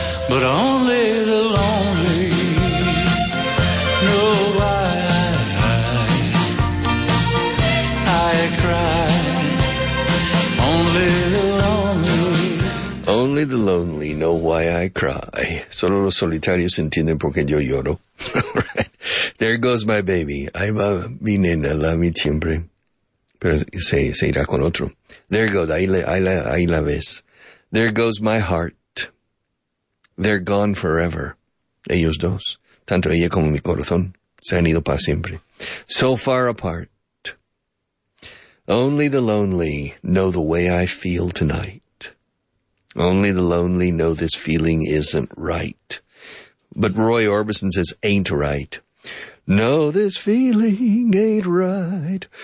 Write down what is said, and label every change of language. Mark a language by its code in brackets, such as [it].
[en] But only the lonely know why I cry. Only the lonely. Only the lonely know why I cry. [es] Solo los solitarios entienden por qué yo lloro. There goes my baby. Ahí va mi nena, la mi siempre. Pero se irá con otro. There goes, ahí la ves. [en] There goes my heart. They're gone forever. [es] Ellos dos, tanto ella como mi corazón, se han ido para siempre. [en] So far apart. Only the lonely know the way I feel tonight. Only the lonely know this feeling isn't right. But Roy Orbison says, ain't right. No, this feeling ain't right.